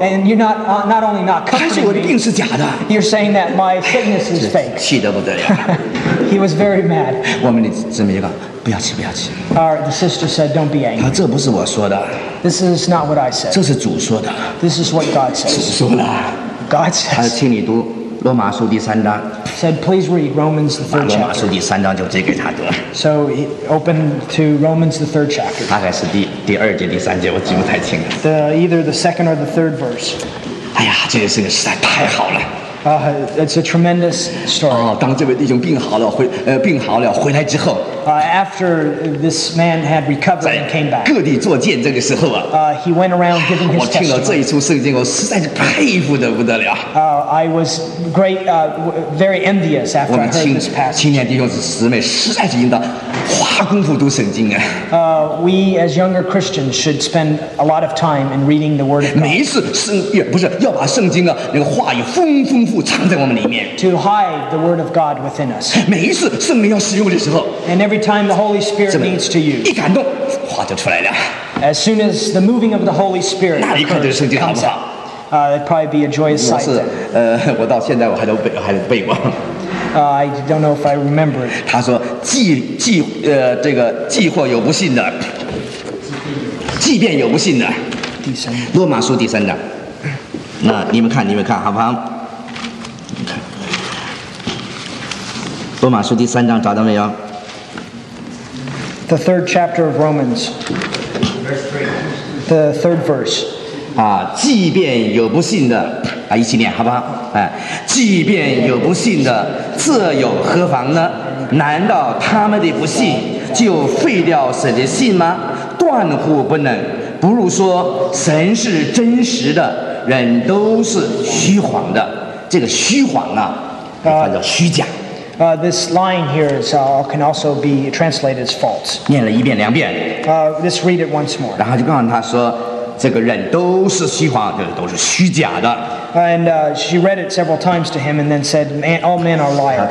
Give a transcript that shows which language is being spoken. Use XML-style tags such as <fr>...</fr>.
<en>and you're not only not comforting me, you're saying that my sickness is fake.</en> <zh>气得不得了,</zh> <en>he was very mad.</en> <zh>我们的姊妹一个, 不要气, 不要气,</zh> <en>the sister said, don't be angry.</en> <zh>这不是我说的,</zh> <en>this is not what I said.</en> <zh>这是主说的,</zh> <en>this is what God says.</en> <zh>主说的,</zh> <en>God says.</en> <zh>请你读, 罗马书第三章,</zh> <en>said, please read Romans the third chapter.</en> <zh>把罗马书第三章就借给他读,</zh> <en>so he opened to Romans the third chapter.</en> <zh>大概是第二节第三节, 我记不太清了,</zh> <en>either the second or the third verse.</en> <zh>哎呀, 这个事情实在太好了,</zh> <en>it's a tremendous story.</en> <zh>当这位弟兄病好了, 病好了, 回来之后,</zh> <en>after this man had recovered and came back,</en> <zh>各地做见证的时候,</zh> <en>he went around giving his testimony.</en> <zh>我听了这一处圣经, 我实在是佩服得不得了,</zh> <en>I was great, very envious after</en> <zh>我们亲,</zh> <en>I heard this passage.</en> <zh>青年弟兄姊妹, 实在是应当, 花功夫读圣经,</zh> <en>we as younger Christians should spend a lot of time in reading the Word of God.</en> <zh>每一次圣, 也, 不是, 要把圣经啊, 那个话语丰富, 丰富藏在我们里面,</zh> <en>to hide the word of God within us.</en> <zh>每一次圣灵要使用的时候,</zh> <en>and every time the Holy Spirit needs to use,</en> <zh>一感动, 话就出来了,</zh> <en>as soon as the moving of the Holy Spirit occurs, it comes out, it'd probably be a joyous sight.</en> <zh>我是, 我到现在我还都背, 还都背过,</zh> <en>I don't know if I remember it.</en> <zh>他说, 既或有不信的, 即便有不信的, 第三, 罗马书第三章, 那你们看, 你们看, 好不好? 罗马书第三章, 找到没有?</zh> <en>The third chapter of Romans, the third verse.</en> <zh>啊, 即便有不信的, 啊, 一起念, 好不好? 啊, 即便有不信的, 这有何妨呢? 难道他们的不信, 就废掉神的信吗? 断乎不能, 不如说, 神是真实的, 人都是虚谎的, 这个虚谎啊, 也翻译叫虚假,</zh> <en>This line here is, can also be translated as false.</en> <zh>念了一遍两遍,</zh> <en>let's read it once more.</en> <zh>然后就告诉他说, 这个人都是虚谎, 都是虚假的,</zh> <en>and she read it several times to him and then said, man, all men are liars.</en>